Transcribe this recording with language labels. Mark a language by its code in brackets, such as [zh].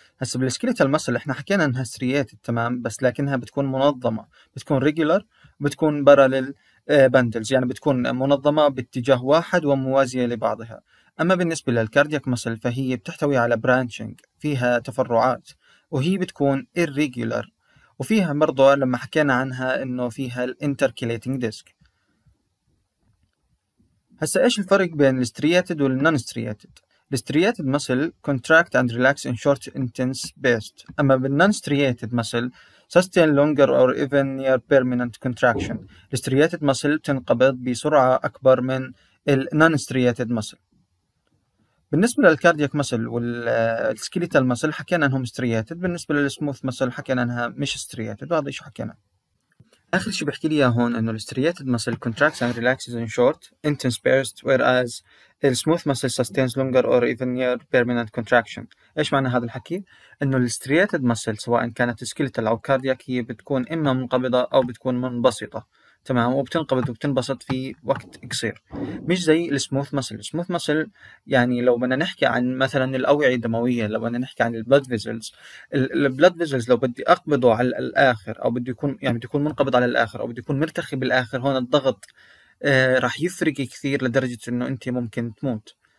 [ar] هسه بالسكيليتال مسل احنا حكينا انها سرياتد، تمام، بس لكنها بتكون منظمة، بتكون ريجولار، بتكون بارالل باندلز، يعني بتكون منظمة باتجاه واحد وموازية لبعضها. اما بالنسبة للكاردياك مسل فهي بتحتوي على برانشنج، فيها تفرعات، وهي بتكون irregular، وفيها برضو لما حكينا عنها انه فيها intercalating disc. هسا ايش الفرق بين الاسترياتد والنون استرياتد؟ الاسترياتد [en] muscle contract and relax in short intense burst، [ar] اما بالنون استرياتد [en] muscle sustain longer or even near permanent contraction. [ar] الاسترياتد muscle بتنقبض بسرعة اكبر من النون استرياتد muscle. بالنسبة للكاردياك مسل والسكيليتال مسل حكينا انهم استرياتد، بالنسبة للسموث مسل حكينا انها مش استرياتد، وهذا شو حكينا. اخر شيء بحكي لي هون انه الاسترياتد مسل [en] contracts and relaxes in short intense burst، [ar] whereas السموث مسل [en] sustains longer or even near permanent contraction. [ar] ايش معنى هذا الحكي؟ انه الاسترياتد مسل سواء كانت سكيليتال او كاردياك هي بتكون اما منقبضة او بتكون منبسطة، تمام، وبتنقبض وبتنبسط في وقت قصير، مش زي السموث مسل. السموث مسل يعني لو بدنا نحكي عن مثلا الأوعية الدموية، لو بدنا نحكي عن البلد فيزلز، البلد فيزلز لو بدي أقبضه على الآخر، أو بدي يكون يعني بدي يكون منقبض على الآخر، أو بدي يكون مرتخي بالآخر، هون الضغط راح يفرق كثير لدرجة إنه أنت ممكن تموت.